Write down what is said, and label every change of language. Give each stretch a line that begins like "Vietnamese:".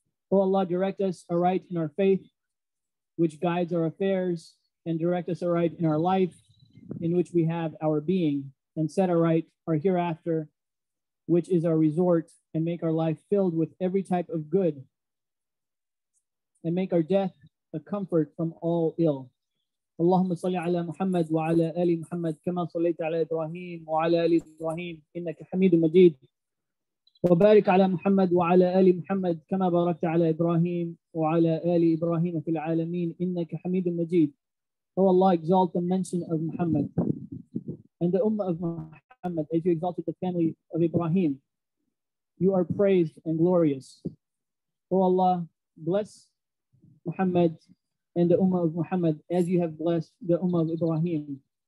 English: Oh Allah, direct us aright in our faith, which guides our affairs, and direct us aright in our life, in which we have our being, and set aright our hereafter, which is our resort, and make our life filled with every type of good, and make our death a comfort from all ill.
Arabic: اللهم صل على محمد وعلى آل محمد كما صليت على إبراهيم وعلى آل إبراهيم إنك حميد مجيد وبارك على محمد وعلى آل محمد كما باركت على إبراهيم وعلى آل إبراهيم في العالمين إنك حميد مجيد.
English: Oh Allah, exalt the mention of Muhammad and the ummah of Muhammad as you exalted the family of Ibrahim. You are praised and glorious. Oh Allah, bless Muhammad and the Ummah of Muhammad, as you have blessed the Ummah of Ibrahim.